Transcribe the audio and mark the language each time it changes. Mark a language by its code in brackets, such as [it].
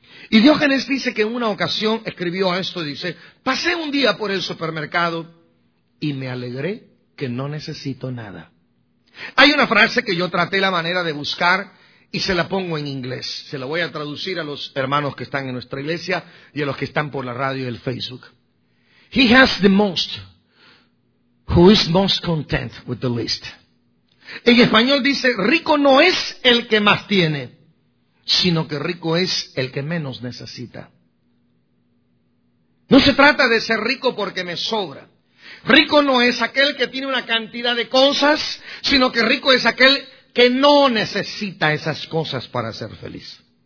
[es] Y Diógenes dice que en una ocasión escribió esto, dice: pasé un día por el supermercado y me alegré que no necesito nada. Hay una frase que yo traté la manera de buscar y se la pongo en inglés. Se la voy a traducir a los hermanos que están en nuestra iglesia y a los que están por la radio y el Facebook. [en] He has the most who is most content with the least. [es] En español dice: rico no es el que más tiene, sino que rico es el que menos necesita. No se trata de ser rico porque me sobra. Rico no es aquel que tiene una cantidad de cosas, sino que rico es aquel que no necesita esas cosas para ser feliz.